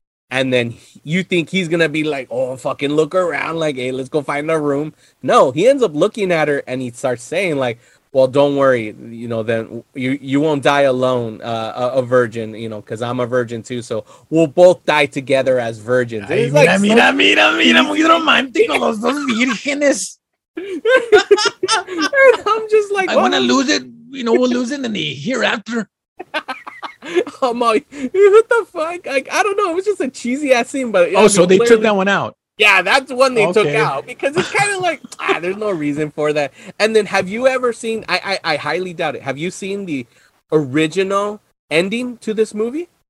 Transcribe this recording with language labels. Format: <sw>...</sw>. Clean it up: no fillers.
<en>And then you think he's going to be like, oh, fucking look around like, hey, let's go find a room. No, he ends up looking at her and he starts saying like, well, don't worry, you know, then you won't die alone, a virgin, you know, because I'm a virgin too. So we'll both die together as virgins.</en> <es>Ay, mira, like mira, so mira, mira, muy romántico, los dos vírgenes.</es> <en>And I'm just like, I want to lose it. You know, we'll lose it in the hereafter. I'm like, what the fuck? Like, I don't know. It was just a cheesy ass scene. But oh, I mean, so they took that one out. Yeah, that's one they took out because it's kind of like, there's no reason for that. And then have you ever seen, I highly doubt it, have you seen the original ending to this movie?</en>